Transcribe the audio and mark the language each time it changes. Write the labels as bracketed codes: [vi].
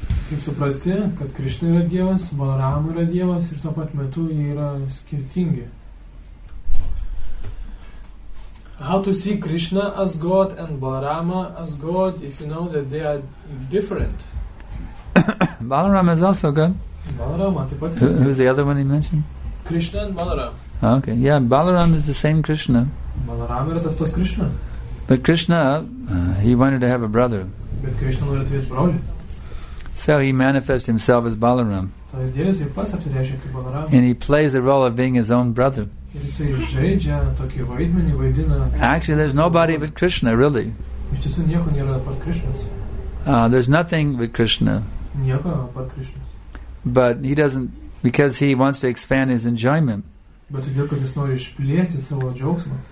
[lt] Kaip suprasti, kad Krishna yra Dievas, Balarama yra Dievas ir tuo pat metu jie yra skirtingi. [en] How to see Krishna as God and Balarama as God if you know that they are different? Balarama is also God. [lt] Balarama, taip pat. [en] Who's the other one you mentioned? Krishna and Balarama. Okay, yeah, Balarama is the same Krishna. [lt] Balarama yra tas pas Krishna. [en] But Krishna, he wanted to have a brother. [lt] Bet Krishna norėjo turėti brolį. [en] So he manifests himself as Balaram. [lt] Tai Dievas ir pats apsireiškia kaip Balaram. [en] And he plays the role of being his own brother. [lt] Ir jis žaidžia tokį vaidmenį, vaidina. [en] Actually, there's nobody but Krishna, really. [lt] Iš tiesų nieko nėra apart Krishnas. [en] There's nothing but Krishna. [lt] Nieko apart Krishnas. [en] But he doesn't, because he wants to expand his enjoyment. [lt] Bet todėl, kad jis nori išplėsti savo džiaugsmą.